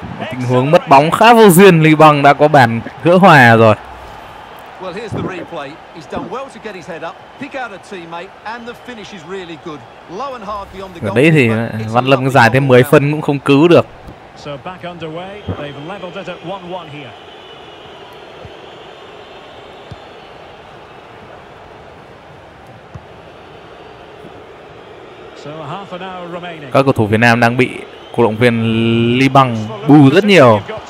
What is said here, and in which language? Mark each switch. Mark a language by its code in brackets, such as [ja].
[vi] Tình huống mất bóng khá vô duyên, Lý Bằng đã có bàn gỡ hòa rồi. [en] Well, here's the replay. He's done well to get his head up, pick out a teammate, and the finish is really good. Low and hard beyond the goal. [vi] Đấy thì Văn Lâm dài thêm 10 phân cũng không cứu được. [en] So back underway. They've leveled it at 1-1 here. So half an hour remaining. [vi] Các cầu thủ Việt Nam đang bị cổ động viên Lý Bằng bù rất nhiều.